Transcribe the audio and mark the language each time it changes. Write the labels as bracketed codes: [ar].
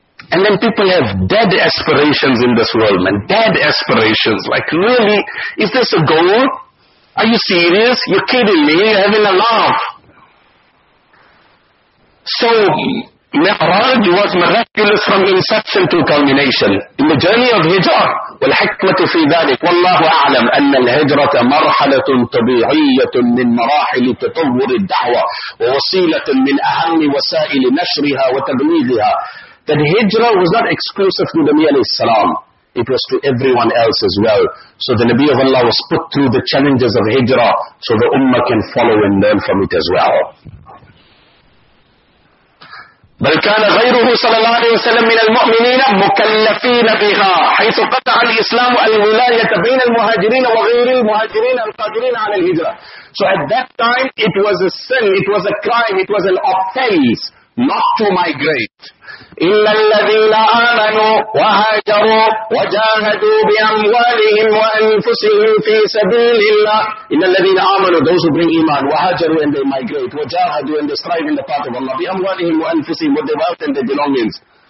[en] And then people have dead aspirations in this world, man, dead aspirations. Like really, is this a goal? Are you serious? You're kidding me, you're having a laugh. So, Mi'raj was miraculous from inception to culmination. In the journey of Hijrah, [ar] وَالْحِكْمَةُ فِي ذَلِكُ وَاللَّهُ أَعْلَمْ أَنَّ الْهِجْرَةَ مَرْحَلَةٌ طَبِيعِيَّةٌ مِّنْ مَرَاحِلِ تَطَوُّرِ الدَّعْوَةِ وَوَسِيلَةٌ مِّنْ أَهَمِّ وَسَائِلِ نَشْرِهَا وَتَبْلِيغِهَا. [en] That Hijrah was not exclusive to the Nabi alayhi salam. It was to everyone else as well. So the Nabi of Allah was put through the challenges of Hijrah so the Ummah can follow and learn from it as well. [ar] بل كان غيره صلى الله عليه وسلم من المؤمنين مكلفين بها حيث قطع الإسلام الولاية بين المهاجرين وغير المهاجرين القادرين على الهجرة. [en] So at that time it was a sin, it was a crime, it was an offense not to migrate. [ar] إِلَّا الَّذِينَ آمَنُوا وَهَاجَرُوا وَجَاهَدُوا بِأَمْوَالِهِمْ وَأَنفُسِهِمْ فِي سَبِيلِ اللَّهِ إِلَّا الَّذِينَ آمَنُوا [en] those who bring iman [ar] وَهَاجَرُوا [en] and they migrate [ar] وَجَاهَدُوا [en] and they strive in the path of Allah [ar] بِأَمْوَالِهِمْ وَأَنفُسِهِمْ [en] with their wealth and their belongings